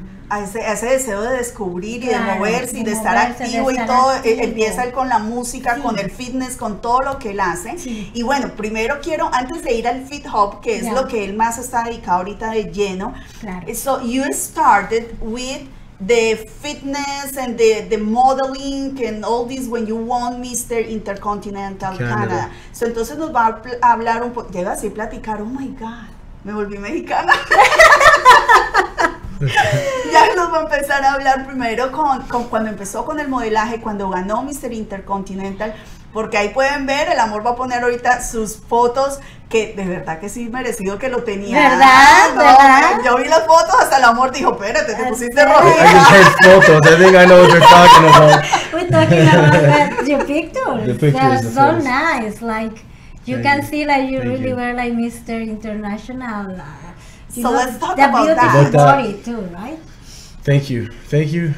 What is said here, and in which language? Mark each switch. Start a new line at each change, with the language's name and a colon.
Spanish: A ese deseo de descubrir y claro, de moverse y de estar activo y todo, empieza él con la música, con el fitness, con todo lo que él hace. Y bueno, primero quiero, antes de ir al fit hop, que es lo que él más está dedicado ahorita de lleno. Claro.
English: So, you started with the fitness and the modeling and all this when you won Mr. Intercontinental Canada.
Spanish: So, entonces nos va a hablar un poco. Llega así a platicar, oh my God, me volví mexicana. Ya nos va a empezar a hablar primero con cuando empezó con el modelaje, cuando ganó Mr. Intercontinental, porque ahí pueden ver, el amor va a poner ahorita sus fotos, que de verdad que sí, merecido que lo tenía. ¿Verdad? No, ¿verdad? Yo vi las fotos, hasta el amor dijo, espérate, te pusiste rojita.
English: I just heard photos, I think I know what you're talking about. We're talking about your pictures. The pictures, they're so nice, like, you can see like you really were like Mr. International. So let's talk about that. The beautiful story too, right? Thank you. Thank you.